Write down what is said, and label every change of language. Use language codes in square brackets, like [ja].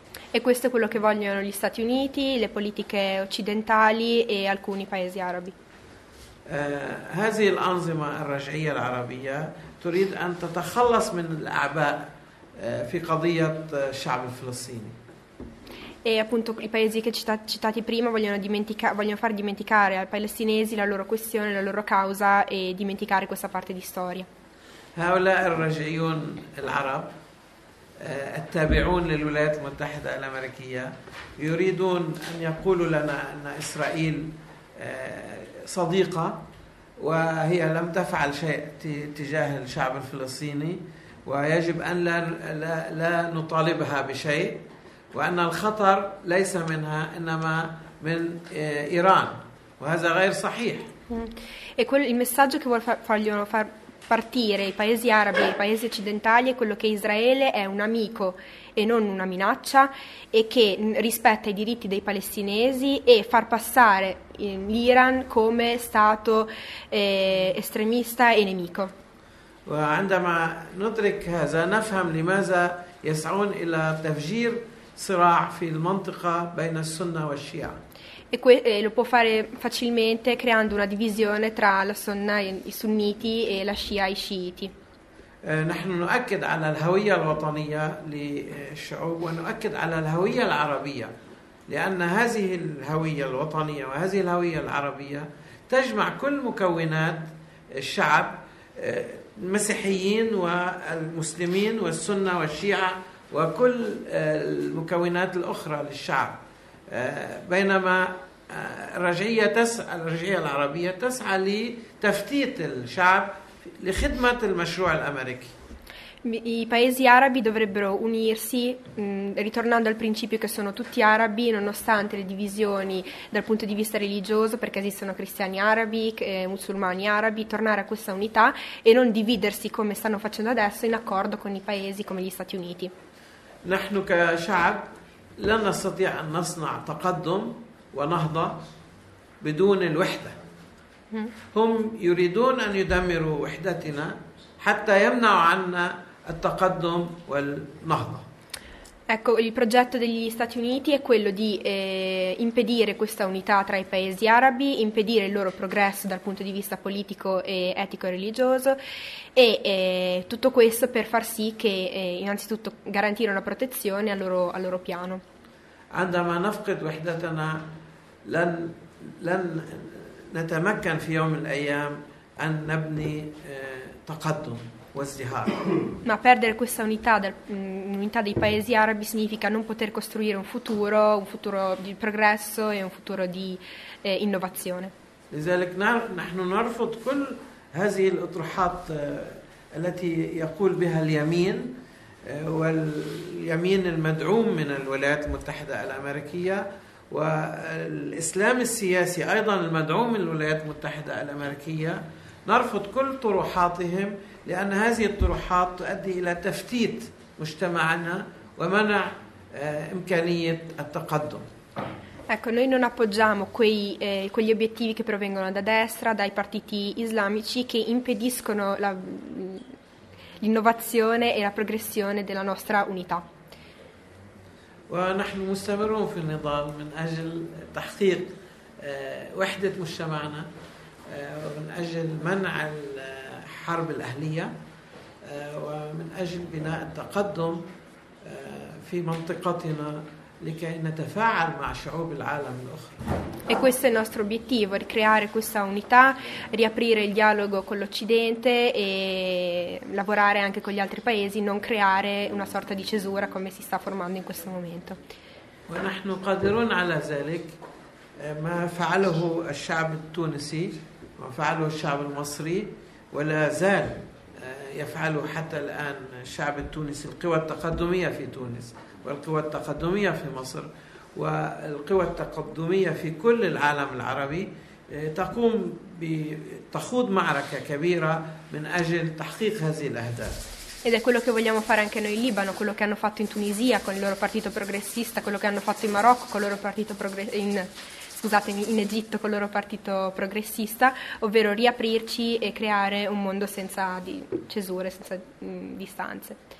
[it] E questo è quello che vogliono gli Stati Uniti, le politiche occidentali e alcuni paesi arabi. [ar] هذه الأنظمة الرجعية العربية تريد أن تتخلص من الأعباء في قضية الشعب الفلسطيني. [it] E appunto i paesi che citati prima vogliono far dimenticare ai palestinesi la loro questione, la loro causa e dimenticare questa parte di storia. [ar] هؤلاء الرجعيون العرب التابعون للولايات المتحدة الأمريكية يريدون أن يقولوا لنا أن إسرائيل صديقة وهي لم تفعل شيء تجاه الشعب الفلسطيني. ويجب أن لا نطالبها بشيء وأن الخطر ليس منها إنما من إيران وهذا غير صحيح. [it] E quel il messaggio che vuol far partire i paesi arabi e i paesi occidentali è quello che Israele è un amico e non una minaccia, e che rispetta i diritti dei palestinesi, e far passare l'Iran come stato estremista e nemico. [ar] وعندما ندرك هذا نفهم لماذا يسعون إلى تفجير صراع في المنطقة بين السنة والشيعة. [it] E lo può fare facilmente creando una divisione tra la sunna i sunniti e la scia i sciiti. [ar] نحن نؤكد على الهوية الوطنية للشعوب ونؤكد على الهوية العربية لأن هذه الهوية الوطنية وهذه الهوية العربية تجمع كل مكونات الشعب المسيحيين والمسلمين والسنة والشيعة وكل المكونات الأخرى للشعب بينما الرجعية العربية تسعى لتفتيت الشعب لخدمة المشروع الأمريكي. [it] I paesi arabi dovrebbero unirsi, ritornando al principio che sono tutti arabi, nonostante le divisioni dal punto di vista religioso, perché esistono cristiani arabi, musulmani arabi, tornare a questa unità e non dividersi come stanno facendo adesso in accordo con i paesi come gli Stati Uniti. [ar] نحن كشعب لا نستطيع أن نصنع تقدم ونهضة بدون الوحدة. هم يريدون أن يدمروا وحدتنا حتى يمنعوا عنا التقدم والنهضة. [it] Ecco, il progetto degli Stati Uniti è quello di impedire questa unità tra i paesi arabi, impedire il loro progresso dal punto di vista politico e etico e religioso, e tutto questo per far sì che innanzitutto garantire una protezione al loro piano. [ar] عندما نفقد وحدتنا لن نتمكن في يوم من الأيام أن نبني تقدم. [it] Ma perdere questa unità, l'unità dei paesi arabi, significa non poter costruire un futuro di progresso e un futuro di innovazione. [ar] لذلك نحن نرفض كل هذه الاطروحات التي يقول بها اليمين واليمين المدعوم من الولايات المتحدة الأمريكية والإسلام السياسي أيضا المدعوم من الولايات المتحدة الأمريكية. نرفض كل طروحاتهم لأن هذه الطروحات تؤدي إلى تفتيت مجتمعنا ومنع إمكانية التقدم. [it] Ecco, noi non appoggiamo quegli obiettivi che provengono da destra, dai partiti islamici, che impediscono l'innovazione e la progressione della nostra unità. [ar] ونحن مستمرون في النضال من أجل تحقيق وحدة مجتمعنا. ومن أجل منع الحرب الأهلية ومن أجل بناء التقدم في منطقتنا لكي نتفاعل مع شعوب العالم الأخرى. [it] E questo è il nostro obiettivo, ricreare questa unità, riaprire il dialogo con l'Occidente e lavorare anche con gli altri paesi, non creare una sorta di cesura come si sta formando in questo momento. [ar] ونحن قادرون على ذلك ما فعله الشعب التونسي وفعله الشعب المصري ولا زال يفعله حتى الآن الشعب التونسي القوى التقدمية في تونس والقوى التقدمية في مصر والقوى التقدمية في كل العالم العربي تقوم بتخوض معركة كبيرة من أجل تحقيق هذه الأهداف. [it] Ed è quello che vogliamo fare anche noi in Libano, quello che hanno fatto in Tunisia con il loro partito progressista, quello che hanno fatto in Marocco con il loro partito in Egitto con il loro partito progressista, ovvero riaprirci e creare un mondo senza di cesure, senza distanze.